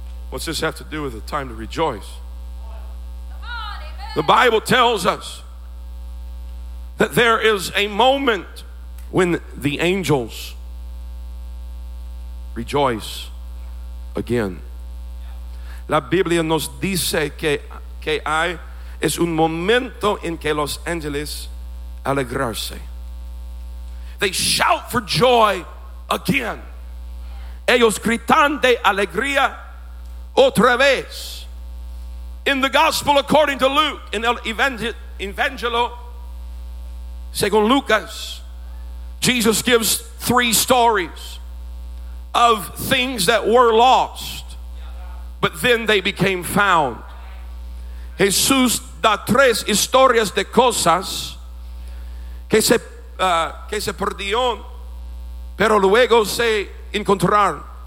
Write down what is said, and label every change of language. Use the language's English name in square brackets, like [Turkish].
[English] What's this have to do with the time to rejoice? The Bible tells us that there is a moment when the angels rejoice again. [Spanish] La Biblia nos dice que hay es un momento en que los ángeles alegrarse. [English] They shout for joy again. [Spanish] Ellos gritan de alegría otra vez. [English] In the gospel according to Luke, in [Spanish] el evangelio según Lucas, [English] Jesus gives three stories of things that were lost, but then they became found. [Spanish] Jesús da tres historias de cosas que se perdieron, pero luego se encontraron.